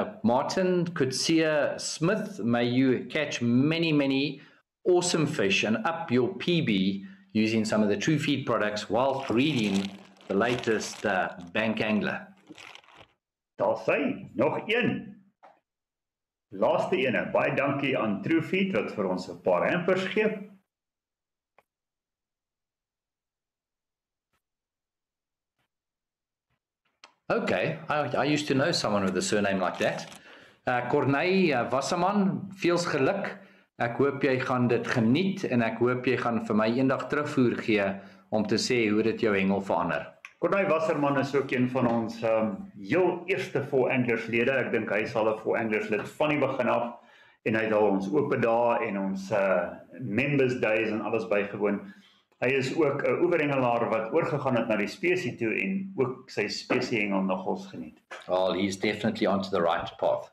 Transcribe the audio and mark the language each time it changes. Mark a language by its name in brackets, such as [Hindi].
[English] Martin Kutsia Smith, may you catch many, many awesome fish and up your PB using some of the True Feed products whilst reading the latest Bank Angler. [Afrikaans] Daar sê, nog een. Laaste ene, baie dankie aan True Feed wat vir ons 'n paar hampers gee. [English] Okay, I used to know someone with a surname like that. [Afrikaans] Corneille Wasserman, feels geluk. Ek hoop jy gaan dit geniet en ek hoop jy gaan vir my eendag terugvoer gee om te sê hoe dit jou hengel verander. Corneille Wasserman is ook een van ons heel eerste Four Anglers lede. Ek dink hy sal 'n Four Anglers lid van die begin af en hy het al ons open dae en ons [English] members days [Afrikaans] en alles bygewoon. Hy is ook 'n oeverhengelaar wat oorgegaan het na die spesie toe en ook sy spesie hengel nogals geniet. [English] Well, he's definitely onto the right path.